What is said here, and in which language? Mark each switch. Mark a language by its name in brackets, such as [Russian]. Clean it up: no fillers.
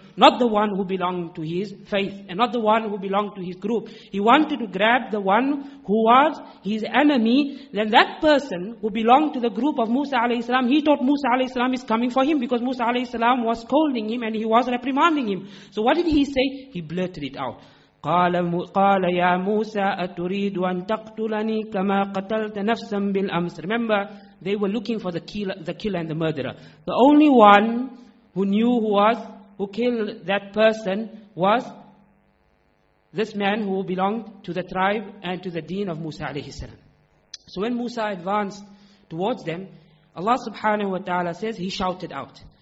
[English] Not the one who belonged to his faith, and not the one who belonged to his group. He wanted to grab the one who was his enemy. Then that person who belonged to the group of Musa alayhi salam, he thought Musa alayhi salam is coming for him, because Musa alayhi salam was scolding him and he was reprimanding him. So what did he say? He blurted it out. [Arabic] قال يا موسى أتريد أن تقتلني كما قتلت نفسا بالأمس. [English] Remember, they were looking for the killer and the murderer. The only one who knew who was who killed that person was this man who belonged to the tribe and to the deen of Musa alayhi salam. So when Musa advanced towards them, Allah subhanahu wa ta'ala says, he shouted out.